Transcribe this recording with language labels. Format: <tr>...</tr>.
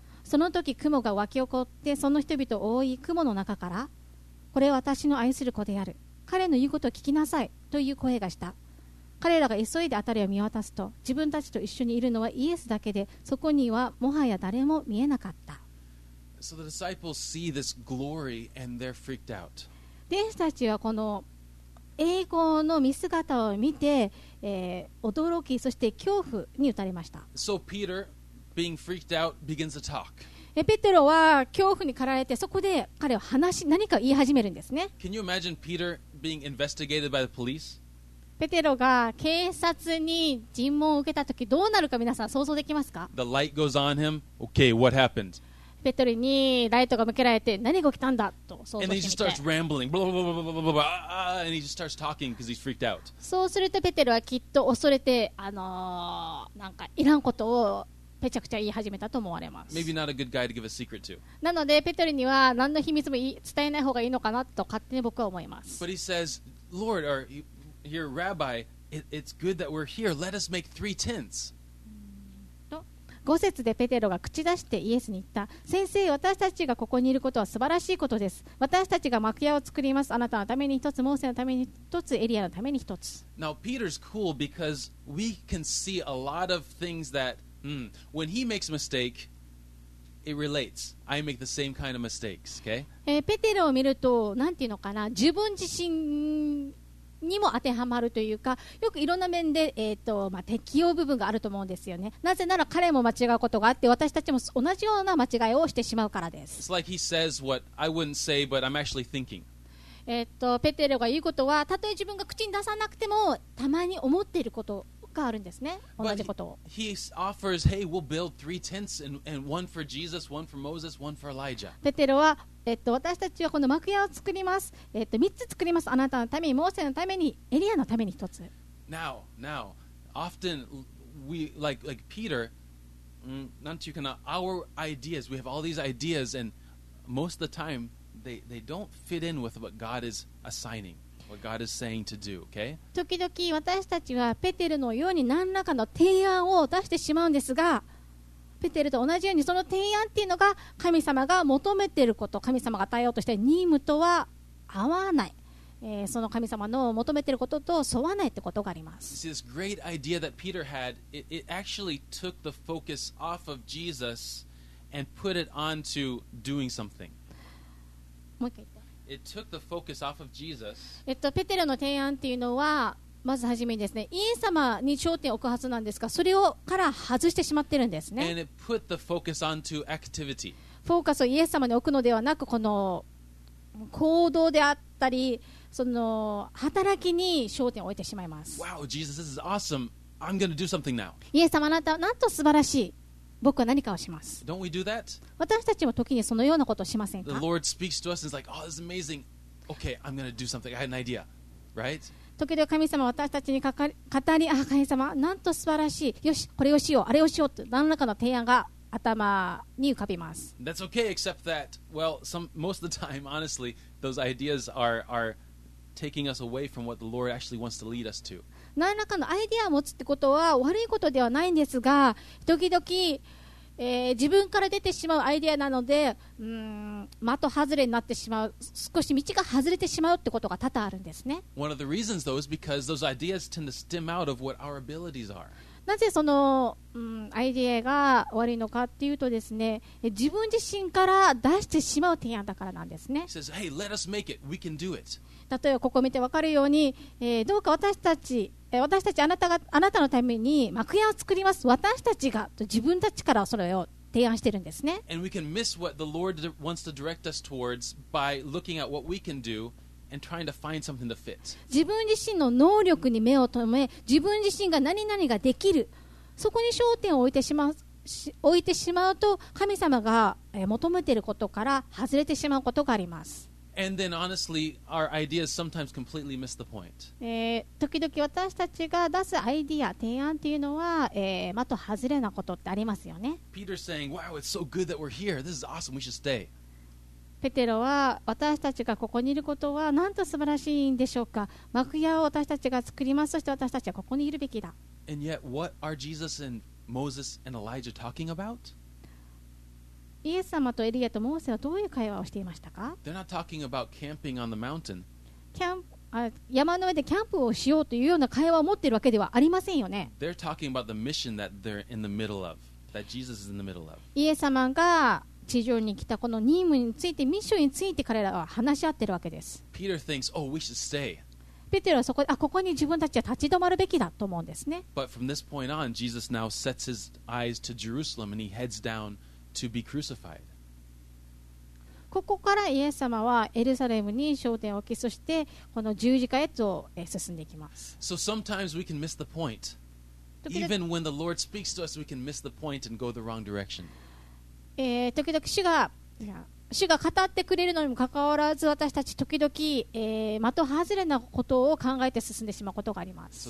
<ja>その時雲が湧き起こってその人々を覆い雲の中から、これは私の愛する子である。彼の言うことを聞きなさいという声がした。彼らが急いで辺りを見渡すと、自分たちと一緒にいるのはイエスだけで、そこにはもはや誰も見えなかった。</ja> <en>So the disciples see this glory and they're freaked out.</en> <ja>弟子たちはこの栄光の見姿を見て、驚き、そして恐怖に打たれました。</ja> <en>So Peter, being freaked out, begins to talk.</en> <ja>ペテロは恐怖に駆られて、そこで彼は何か言い始めるんですね。</ja> <en>Can you imagine Peter being investigated by the police?</en> <ja>ペテロが警察に尋問を受けたときどうなるか皆さん想像できますか？</ja> <en>The light goes on him. Okay, what happened?</en> <ja>ペテロにライトが向けられて何が起きたんだと想像してみて。</ja> <en>And he starts rambling, blah blah blah blah blah blah, and he just starts talking because he's freaked out.</en> <ja>そうするとペテロはきっと恐れてなんかいらんことをペチャクチャ言い始めたと思われます。</ja> <en>Maybe not a good guy to give a secret to.</en> <ja>なのでペテロには何の秘密も伝えない方がいいのかなと勝手に僕は思います。</ja> <en>But he says, Lord, are you? Here, Rabbi, it's good that we're here. Let us make three tents.</en> <ja>5節でペテロが口出してイエスに言った。先生、私たちがここにいることは素晴らしいことです。私たちが幕屋を作ります。あなたのために一つ、モーセのために一つ、エリアのために一つ。</ja> <en>Now, Peter's cool because we can see a lot of things that, when he makes a mistake, it relates. I make the same kind of mistakes, okay?</en> <ja>ペテロを見ると、なんていうのかな、自分自身…にも当てはまるというか、よくいろんな面で、適応部分があると思うんですよね。なぜなら彼も間違うことがあって、私たちも同じような間違いをしてしまうからです。</ja> <en>It's like he says what I wouldn't say, but I'm actually thinking.</en> <ja>ペテロが言うことは、たとえ自分が口に出さなくても、たまに思っていることがあるんですね。同じことを。</ja> <en>But he offers, hey, we'll build three tents and one for Jesus, one for Moses, one for Elijah.</en> <ja>ペテロは私たちはこの幕屋を作ります、3つ作りますあなたのためにモーセのためにエリアのために1つ</ja> <en>Now, often we like Peter</en> <ja>なんていうかな</ja> <en>our ideas we have all these ideas and most of the time they don't fit in with what God is assigning what God is saying to do okay</en> <ja>時々私たちはペテルのように何らかの提案を出してしまうんですがペテルと同じようにその提案っていうのが神様が求めていること神様が与えようとして任務とは合わない、その神様の求めていることと沿わないってことがあります</ja> <en>See, this great idea that Peter had, it actually took the focus off of Jesus and put it onto doing something.</en> <ja>もう一回言って。</ja> <en>It took the focus off of Jesus.</en> <ja>ペテルの提案っていうのはまずはじめにですね、イエス様に焦点を置くはずなんですが、それをから外してしまってるんですね。</ja> <en>And it put the focus onto activity.</en> <ja>フォーカスをイエス様に置くのではなく、この行動であったり、その働きに焦点を置いてしまいます。</ja> <en>Wow, Jesus, this is awesome. I'm going to do something now.</en> <ja>イエス様、あなたはなんと素晴らしい。僕は何かをします。</ja> <en>Don't we do that?</en> <ja>私たちも時にそのようなことをしませんか?</ja> <en>The Lord speaks to us and is like, oh, this is amazing. Okay, I'm going to do something. I had an idea. Right?</en> <ja>時々神様は私たちに語り、あ、神様なんと素晴らしい、よしこれをしよう、あれをしようと何らかの提案が頭に浮かびます。</ja> <en>That's okay, except that, well, some, most of the time, honestly, those ideas are taking us away from what the Lord actually wants to lead us to.</en> <ja>何らかのアイデアを持つってことは悪いことではないんですが、時々、自分から出てしまうアイデアなので、うーん、的外れになってしまう、少し道が外れてしまうってことが多々あるんですね。</ja> <en>One of the reasons, though, is because those ideas tend to stem out of what our abilities are.</en> <ja>なぜその、アイデアが悪いのかっていうとですね、自分自身から出してしまう提案だからなんですね。</ja> <en>says, hey, let us make it. We can do it.</en> <ja>例えばここ見て分かるように、どうか私たちあなたのために幕屋を作ります、私たちがと自分たちからそれを提案してるんですね。</ja> <en>and we can miss what the Lord wants to direct us towards by looking at what we can doAnd trying to find something to fit.</en> <ja>自分自身の能力に目を留め、自分自身が何々ができる、そこに焦点を置いてしまうと神様が求めていることから外れてしまうことがあります。</ja> <en>And then honestly, our ideas sometimes completely miss the point.</en> <ja>時々私たちが出すアイディア、提案というのは、的外れなことってありますよね。</ja> <en>Peter's saying, wow, it's so good that we're here. This is awesome. We should stay.</en> <ja>ペテロは私たちがここにいることはなんと素晴らしいんでしょうか、幕屋を私たちが作ります、そして私たちはここにいるべきだ。</ja> <en>And yet, what are Jesus and Moses and Elijah talking about?</en> <ja>イエス様とエリアとモーセはどういう会話をしていましたか？</ja> <en>They're not talking about camping on the mountain.</en> <ja>山の上でキャンプをしようというような会話を持っているわけではありませんよね。</ja> <en>They're talking about the mission that they're in the middle of, that Jesus is in the middle of.</en> <ja>イエス様が地上に来たこの任務について、ミッションについて彼らは話し合ってるわけです。</ja> <en>Peter thinks, oh, we should stay.</en> <ja>ペテロはそこで、あ、ここに自分たちは立ち止まるべきだと思うんですね。</ja> <en>But from this point on, Jesus now sets his eyes to Jerusalem and he heads down to be crucified.</en> <ja>ここからイエス様はエルサレムに焦点を置き、そしてこの十字架へと進んでいきます。</ja> <en>So sometimes we can miss the point. Even when the Lord speaks to us, we can miss the point and go the wrong direction.</en> <ja>時々主が語ってくれるのにもかかわらず、私たち時々、的外れなことを考えて進んでしまうことがあります。</ja>